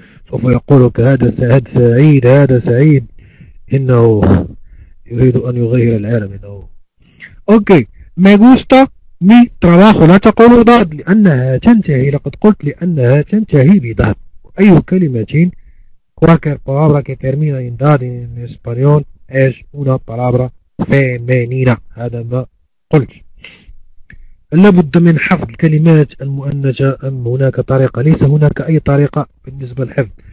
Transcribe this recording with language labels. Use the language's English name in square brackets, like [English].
[Arabic] سوف يقول لك هذا سعيد. هذا سعيد انه يريد ان يغير العالم. انه اوكي. [Spanish] Me gusta mi trabajo. [Arabic] لا تقول داد لأنها تنتهي. لقد قلت لأنها تنتهي بداد. أي كلمة [Spanish] cualquier palabra que termina en داد en español es una palabra femenina. [Arabic] هذا ما قلت. لابد من حفظ الكلمات المؤنثة. أم هناك طريقة؟ ليس هناك أي طريقة بالنسبة للحفظ.